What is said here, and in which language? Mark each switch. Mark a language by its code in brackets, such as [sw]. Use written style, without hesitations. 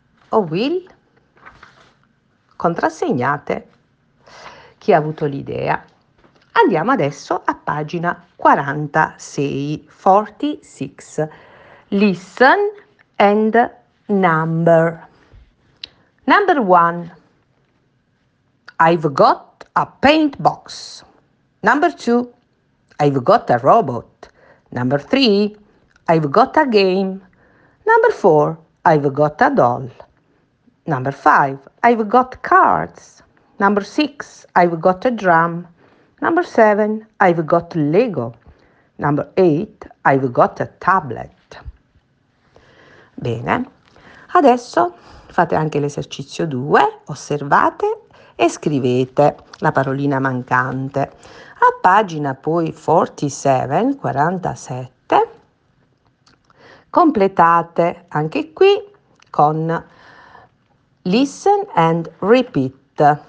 [it] O Will? Contrassegnate chi ha avuto l'idea. Andiamo adesso a pagina 46. [en] Listen and number. Number one, I've got a paint box. Number two, I've got a robot. Number three, I've got a game. Number four, I've got a doll. Number five, I've got cards. Number six, I've got a drum. Number seven, I've got Lego. Number eight, I've got a tablet. [it] Bene, adesso fate anche l'esercizio 2, osservate e scrivete la parolina mancante. A pagina poi 47, completate anche qui con [en] listen and repeat.